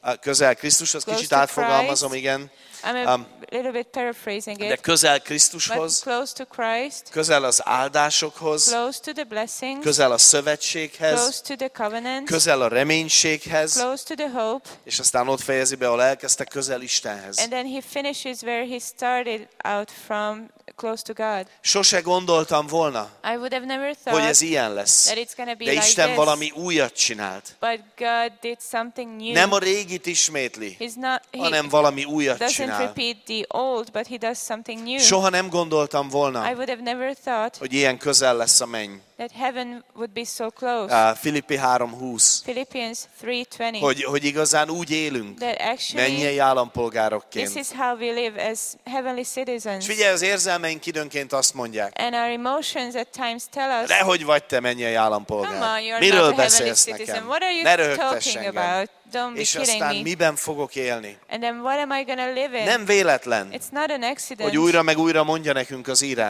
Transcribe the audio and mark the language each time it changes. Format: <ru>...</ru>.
<hu>Közel Krisztushoz, kicsit átfogalmazom, igen.</hu> <en>I'm a little bit paraphrasing it.</en> <hu>De közel Krisztushoz,</hu> <en>close to Christ,</en> <hu>közel az áldásokhoz,</hu> <en>close to the blessings,</en> <hu>közel a szövetséghez,</hu> <en>close to the covenant,</en> <hu>közel a reménységhez,</hu> <en>close to the hope,</en> <hu>és aztán ott fejezi be, ahol elkezdte, közel Istenhez.</hu> <en>And then he finishes where he started out from, close to God.</en> <hu>Sose gondoltam volna,</hu> <en>I would have never thought,</en> <hu>hogy ez ilyen lesz.</hu> <en>That it's gonna be</en> <hu>de Isten</hu> <en>like this.</en> <hu>Valami újat csinált.</hu> <en>But God did something new.</en> <hu>Nem a régit ismétli, hanem valami újat csinált.</hu> <en>Doesn't repeat the old, but he does something new.</en> <hu>Soha nem gondoltam volna,</hu> <en>I would have never thought,</en> <hu>hogy ilyen közel lesz a menny.</hu> <en>That heaven would be so close.</en> <hu>Filippi 3:20.</hu> <en>Philippians 3:20.</en> <hu>Hogy igazán úgy élünk,</hu> <en>that actually,</en> <hu>mennyei állampolgárokként.</hu> <en>This is how we live as heavenly citizens.</en> <hu>És figyelj, az érzelmeink időnként azt mondják.</hu> <en>And our emotions at times tell us.</en> <hu>Dehogy vagy te mennyei állampolgár?</hu> <en>Come on, you're</en> <hu>miről</hu> <en>not a heavenly citizen.</en> <hu>Nekem?</hu> <en>What are you ne talking about? Don't be</en> <hu>és kidding aztán</hu> <en>me.</en> <hu>Miben fogok élni?</hu> <en>And then what am I gonna live in?</en> <hu>Nem véletlen.</hu> <en>It's not an accident.</en> <hu>Hogy újra meg újra mondja nekünk az írás.</hu>